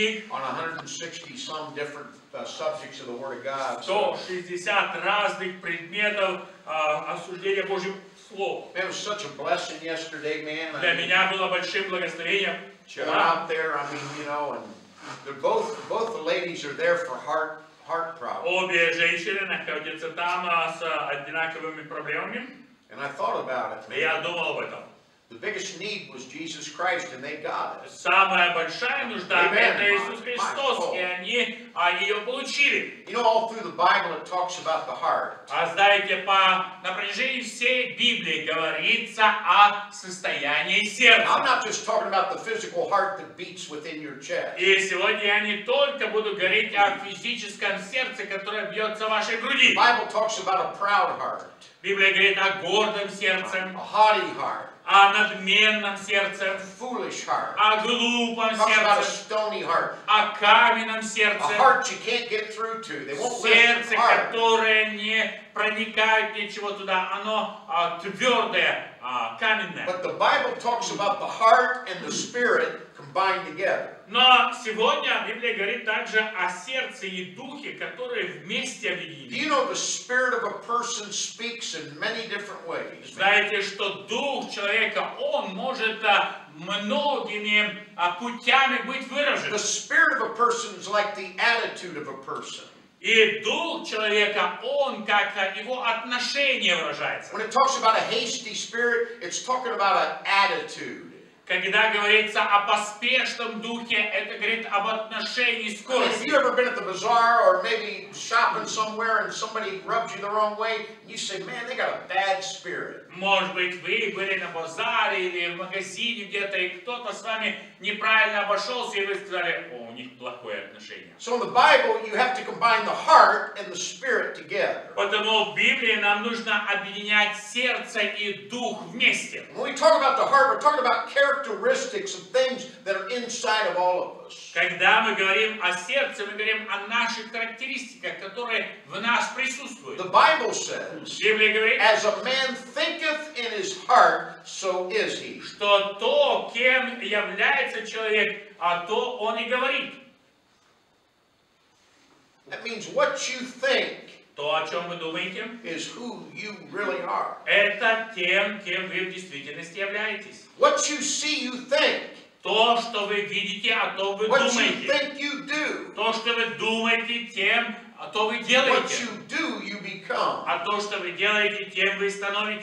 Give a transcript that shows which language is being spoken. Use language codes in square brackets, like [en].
[en] On 160 some different subjects of the Word of God. [ru] 160 разных предметов осуждения Божьим словом. [en] It was such a blessing yesterday, man. [ru] Для меня было большим благословением. [en] They're out there, I mean, you know, and both the ladies are there for heart problems. [ru] Обе женщины находятся там с одинаковыми проблемами. [en] And I thought about it. [ru] Я думал об этом. [en] The biggest need was Jesus Christ, and they got it. [ru] Самая большая нужда это Иисус Христос, и они ее получили. [en] You know, all through the Bible, it talks about the heart. [ru] А знаете, по на протяжении всей Библии говорится о состоянии сердца. [en] I'm not just talking about the physical heart that beats within your chest. [ru] И сегодня я не только буду говорить о физическом сердце, которое бьется в вашей груди. [en] The Bible talks about a proud heart. [ru] Библия говорит о гордом сердце. [en] A haughty heart. [ru] О надменном сердце, [en] foolish heart. [ru] О глупом сердце, [en] a stony heart. [ru] О каменном сердце, [en] a heart you can't get through to. They won't [ru] сердце, [en] listen to heart. [ru] Которое не проникает ничего туда, оно твердое, каменное. [en] But the Bible talks about the heart and the spirit combined together. [ru] Но сегодня Библия говорит также о сердце и духе, которые вместе объединены. [en] You know, the spirit of a person speaks in many different ways. [ru] Знаете, что дух человека, он может многими путями быть выражен. [en] The spirit of a person is like the attitude of a person. [ru] И дух человека, он как его отношение выражается. [en] When it talks about a hasty spirit, it's talking about an attitude. [ru] Когда говорится о поспешном духе, это говорит об отношении скорости. [en] If you ever been at the bazaar or maybe shopping somewhere and somebody rubbed you the wrong way, you say, man, they got a bad spirit. [ru] Может быть, вы были на базаре или в магазине где-то, и кто-то с вами неправильно обошелся, и вы сказали, о, у них плохое отношение. [en] So in the Bible, you have to combine the heart and the spirit together. [ru] Потому в Библии нам нужно объединять сердце и дух вместе. [en] When we talk about the heart, we're talking about characteristics of things that are inside of all of us. [ru] Когда мы говорим о сердце, мы говорим о наших характеристиках, которые в нас присутствуют. [en] The Bible says, [ru] Библия говорит, [en] as a man thinketh in his heart, so is he. [ru] Что то, кем является человек, а то он и говорит. [en] That means what you think, [ru] то, о чем вы думаете, [en] is who you really are. [ru] Это тем, кем вы в действительности являетесь. [en] What you see, you think. [ru] То, что вы видите, а то вы [en] what [ru] думаете. [en] What you think, you do. [ru] То, что вы думаете, тем, а то вы делаете. [en] What you do, you become. [ru] А то, что вы делаете, тем вы становитесь.